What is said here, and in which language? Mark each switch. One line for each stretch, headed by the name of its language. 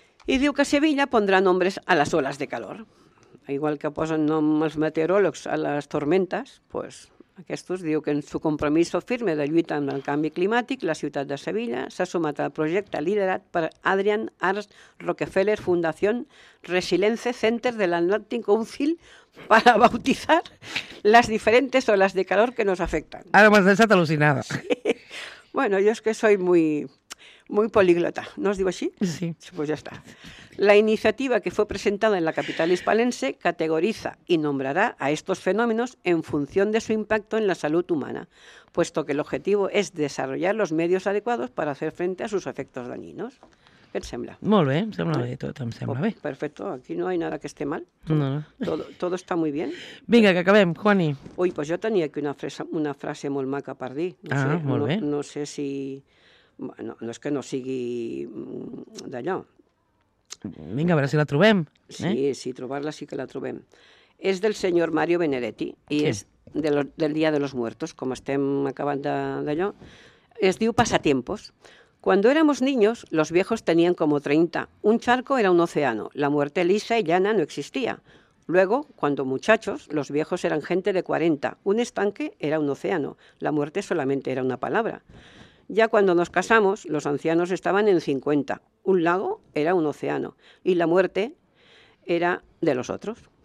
Catalan: I diu que Sevilla pondrà nombres a les oles de calor. Igual que posen nom els meteoròlegs a les tormentes, pues, aquestos diu que
Spanish: en su compromiso firme
Catalan: de lluita amb el canvi climàtic, la ciutat de Sevilla s'ha sumat al projecte liderat per Adrian Arts Rockefeller Fundación Resilience Center del Atlantic Council
Spanish: para bautizar las diferentes olas de calor que nos afectan.
Catalan: Ara m'has deixat al·lucinada.
Spanish: Sí. Bueno, yo es que soy muy... Muy políglota, ¿no os digo así? Sí. Pues ya está. La iniciativa que fue presentada en la capital hispalense categoriza y nombrará a estos fenómenos en función de su impacto en la salud humana, puesto que el objetivo es desarrollar los medios adecuados para hacer frente a sus efectos dañinos. ¿Qué te
Catalan: sembla? Molt bé, em sembla bé, tot em sembla bé.
Spanish: Perfecto, aquí no hay nada que esté mal. No, no. Todo está muy bien.
Catalan: Vinga, que acabem, Juani.
Spanish: Ui, pues yo tenía aquí una frase
Catalan: molt maca per dir. No ah, sé, molt no, bé.
Spanish: No sé si...
Catalan: Bueno, no és que no sigui d'allò. Vinga, a veure si la trobem. Sí, sí, trobar-la sí que la trobem. És del senyor Mario Benedetti i sí. és del Dia de los Muertos, com estem acabant d'allò. Es diu Pasatiempos.
Spanish: Cuando éramos niños, los viejos tenían como 30. Un charco era un océano. La muerte lisa y llana no existía. Luego, cuando muchachos, los viejos eran gente de 40. Un estanque era un océano. La muerte solamente era una palabra. Ya cuando nos casamos, los ancianos estaban en 50. Un lago era un océano y la muerte era de los otros.